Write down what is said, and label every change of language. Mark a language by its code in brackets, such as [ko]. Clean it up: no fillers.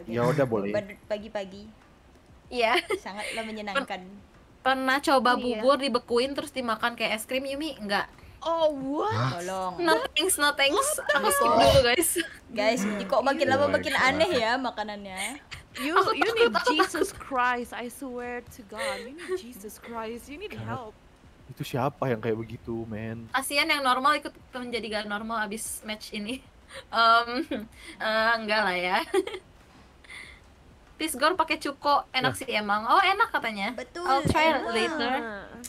[id] Ya udah boleh. Pagi-pagi. Iya, sangatlah menyenangkan. Pernah coba bubur dibekuin terus dimakan kayak es krim Yumi? Enggak. [en] Oh, what? [id] Tolong. [en] No thanks. [id] Aku skip dulu, guys. Guys, ini kok makin lama makin aneh ya makanannya. [en] You need Jesus Christ, I swear to God. You need Jesus Christ, you need help. [id] Itu siapa yang kayak begitu, man? Kasian yang normal ikut menjadi gak normal abis match ini. Enggak lah ya. Pisgor pakai cuko enak sih emang. Oh, enak katanya. Betul. [en] I'll try it later.